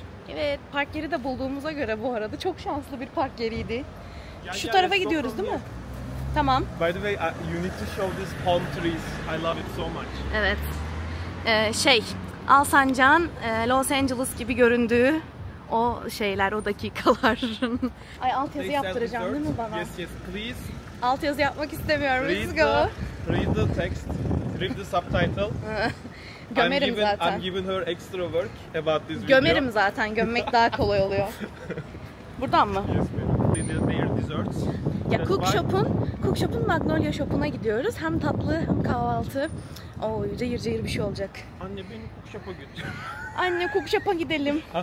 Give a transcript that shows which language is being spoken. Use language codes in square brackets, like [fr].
[tr] Evet, park yeri de bulduğumuza göre bu arada çok şanslı bir park yeriydi. Şu tarafa gidiyoruz, değil mi? Tamam. [en] By the way, you need to show these palm trees. I love it so much. [tr] Evet. Alsancak'ın Los Angeles gibi göründüğü o şeyler, o dakikalar. Ay, altyazı yaptıracağım değil mi bana? [en] Yes, yes, please. [tr] Altyazı yapmak istemiyorum. [en] Read the, read the text, read the subtitle. [tr] Gömerim [en] I'm given, [tr] zaten. [en] I'm giving her extra work about this video. [tr] Gömerim zaten, gömmek daha kolay oluyor. Buradan mı? [en] Yes, their desserts. [tr] Ya Cookshop'un Magnolia Shop'una gidiyoruz. Hem tatlı hem kahvaltı. Oo, cayır cayır bir şey olacak. Anne, beni Cookshop'a götür. Anne, Cookshop'a gidelim.